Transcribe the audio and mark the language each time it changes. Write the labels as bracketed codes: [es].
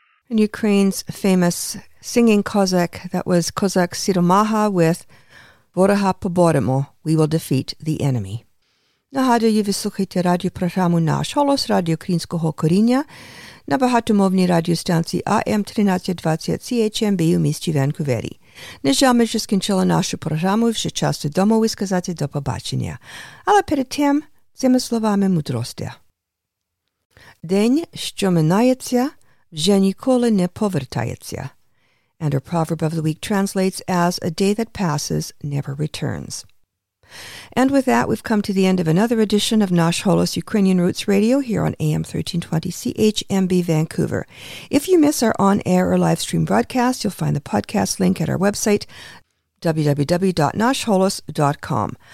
[en] Ukraine's famous singing Cossack, that was Cossack Siromaha with [uk] Ворога поборемо, [en] we will defeat the enemy. [uk] Нагадую, ви слухаєте радіопрограму «Наш Голос» радіо Українського коріння на багатомовній радіостанції АМ 1320 CHMB у місті Ванкувері. Нежами вже скінчила нашу програму, вже час додому висказати до побачення. Але перед тим, цими словами мудрості. День, що минається, вже ніколи не повертається. [en] And our proverb of the week translates as, a day that passes never returns. And with that, we've come to the end of another edition of Nash Holos Ukrainian Roots Radio here on AM 1320 CHMB Vancouver. If you miss our on-air or live stream broadcast, you'll find the podcast link at our website, www.nashholos.com.